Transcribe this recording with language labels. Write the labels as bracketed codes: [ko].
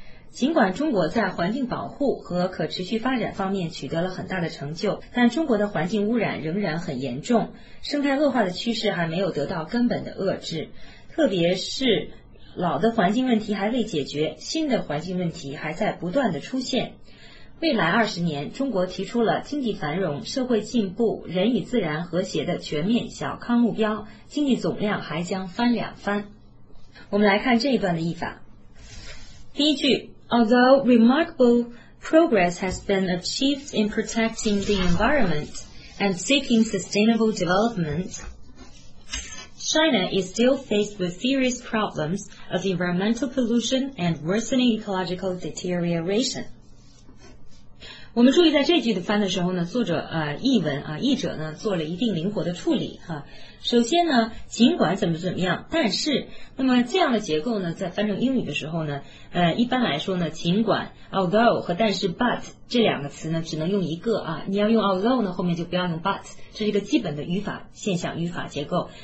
[zh] 尽管中国在环境保护和可持续发展方面取得了很大的成就，但中国的环境污染仍然很严重，生态恶化的趋势还没有得到根本的遏制，特别是老的环境问题还未解决，新的环境问题还在不断的出现。未来20年，中国提出了经济繁荣、社会进步、人与自然和谐的全面小康目标，经济总量还将翻两番。我们来看这一段的译法。第一句， [en] Although remarkable progress has been achieved in protecting the environment and seeking sustainable development, China is still faced with serious problems of environmental pollution and worsening ecological deterioration. [zh] 我们注意在这句的翻的时候呢，作者译者呢做了一定灵活的处理哈、首先呢，尽管怎么怎么样，但是那么这样的结构呢，在翻成英语的时候呢，一般来说呢，尽管 although 和但是 but 这两个词呢，只能用一个啊，你要用 although 呢，后面就不要用 but， 这是一个基本的语法现象、语法结构。